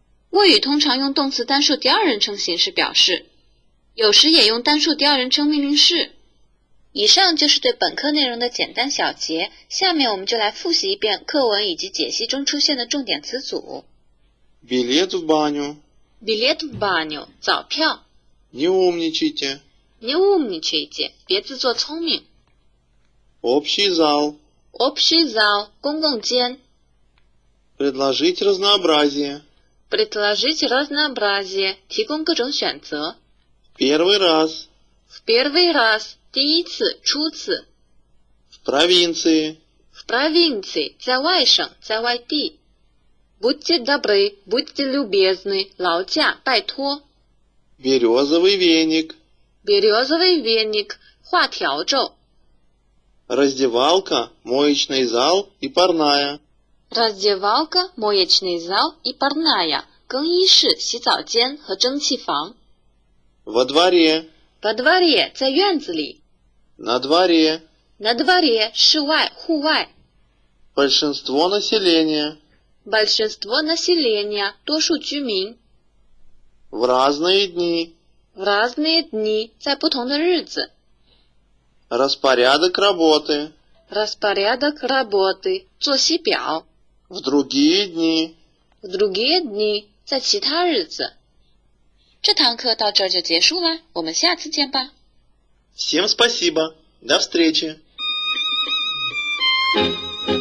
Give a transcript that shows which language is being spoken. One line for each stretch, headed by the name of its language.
Chinese: 谓语通常用动词单数第二人称形式表示，有时也用单数第二人称命令式。以上就是对本课内容的简单小结，下面我们就来复习一遍课文以及解析中出现的重点词组。
Russian: билет в баню билет в баню
Chinese: 早票。
Russian: не умничайте не умничайте
Chinese: 别自作聪明。
Russian: общий зал общий зал
Chinese: 公共间。
Russian: предложить разнообразие предложить разнообразие
Chinese: 提供各种选择。
Russian: Первый раз. В первый раз.
Chinese: 第一次、初次。
Russian: В провинции. В провинции.
Chinese: 在外省、在外地。
Russian: Будьте добры, будьте любезны.
Chinese: 劳驾、拜托。
Russian: Березовый веник. Березовый веник.
Chinese: 画条轴。
Russian: Раздевалка, моечный зал и парная. Раздевалка, моечный зал и парная.
Chinese: 更衣室、洗澡间和蒸汽房。
Russian: Во дворе. Во дворе,
Chinese: 在院子里。
Russian: На дворе. На дворе,
Chinese: 室外、户外。
Russian: Большинство населения. Большинство населения,
Chinese: 多数居民。
Russian: В разные дни. В разные дни,
Chinese: 在不同的日子。
Russian: Распорядок работы. Распорядок работы,
Chinese: 作息表。
Russian: В другие дни. В другие дни,
Chinese: 在其他日子。这堂课到这儿就结束了，我们下次见吧。
Russian: Всем спасибо. До встречи.